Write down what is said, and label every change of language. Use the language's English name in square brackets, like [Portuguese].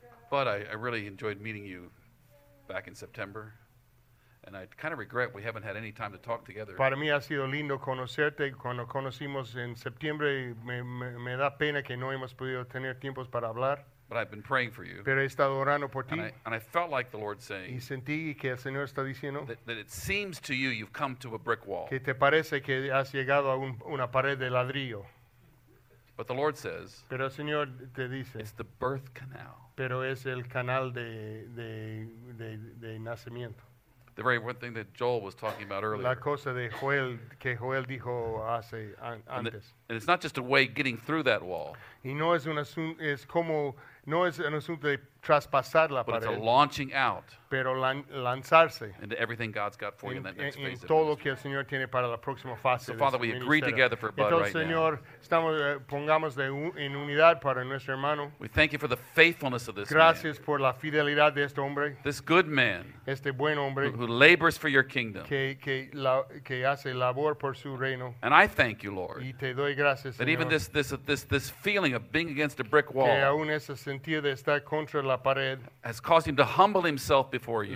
[English] But I really enjoyed meeting you back in September. And I kind of regret we haven't had any time to talk together. [Spanish] Para mí ha sido lindo conocerte. Cuando conocimos en septiembre, me da pena que no hemos podido tener tiempos para hablar. [English] But I've been praying for you. [Spanish] Pero he estado orando por ti. [English] And I felt like the Lord saying. [Spanish] Y sentí que el Señor está diciendo. [English] That it seems to you you've come to a brick wall. [Spanish] Que te parece que has llegado a una pared de ladrillo. [English] But the Lord says. [Spanish] Pero el Señor te dice. [English] It's the birth canal. [Spanish] Pero es el canal de nacimiento. [English] The very one thing that Joel was talking about earlier. [Spanish] La cosa de Joel, que Joel dijo hace antes. [English] And it's not just a way getting through that wall. [Spanish] Y no es un asunto, es como, no es un asunto de traspasar la pared. [English] But it's a launching out. [Spanish] Pero lanzarse. [English] Into everything God's got for you in that next phase. [Spanish] En todo lo que el Señor tiene para la próxima fase. [English] So Father, we agree together for Bud right now. [Spanish] Entonces, Señor, estamos, pongamos en unidad para nuestro hermano. [English] We thank you for the faithfulness of this man. [Spanish] Gracias por la fidelidad de este hombre. [English] This good man. [Spanish] Este buen hombre. [English] Who labors for your kingdom. [Spanish] Que hace labor por su reino. [English] And I thank you, Lord. [Spanish] Y te doy gracias, Señor. [English] That even this feeling of being against a brick wall. [Spanish] Que aún ese sentido de estar contra la pared. [English] Has caused him to humble himself before you.